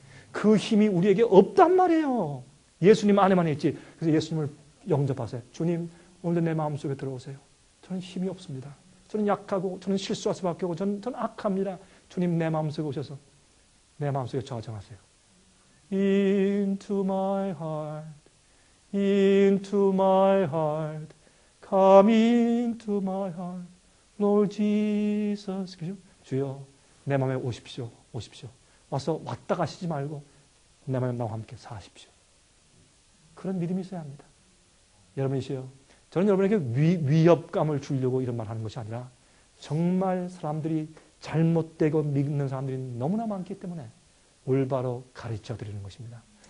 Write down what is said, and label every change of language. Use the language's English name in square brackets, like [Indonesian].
[Korean] 그 힘이 우리에게 없단 말이에요. 예수님 안에만 있지. 그래서 예수님을 영접하세요. 주님, 오늘도 내 마음속에 들어오세요. 저는 힘이 없습니다. 저는 약하고 저는 실수할 수밖에 없고 저는 악합니다. 주님 내 마음속에 오셔서 내 마음속에 좌정하세요. [English] Into my heart, into my heart, come into my heart, Lord Jesus. [Korean] 주여 내 마음에 오십시오. 와서 왔다 가시지 말고 내 마음에 나와 함께 사십시오. 그런 믿음이 있어야 합니다. 여러분이시여 저는 여러분에게 위협감을 주려고 이런 말 하는 것이 아니라 정말 사람들이 잘못되고 믿는 사람들이 너무나 많기 때문에 올바로 가르쳐 드리는 것입니다.